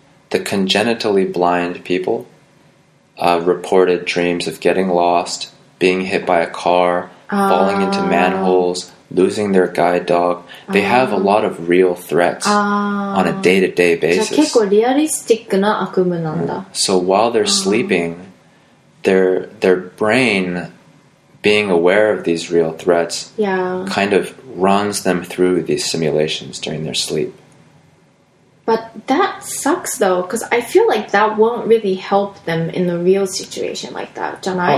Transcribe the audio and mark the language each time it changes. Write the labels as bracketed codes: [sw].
[en] The congenitally blind people reported dreams of getting lost, being hit by a car, falling into manholes, losing their guide dog. They have a lot of real threats on a day-to-day basis. [ja] じゃあ結構リアリスティックな悪夢なんだ。 [en] So while they're sleeping, their brain... being aware of these real threats kind of runs them through these simulations during their sleep. But that sucks though, because I feel like that won't really help them in a real situation like that, Janai.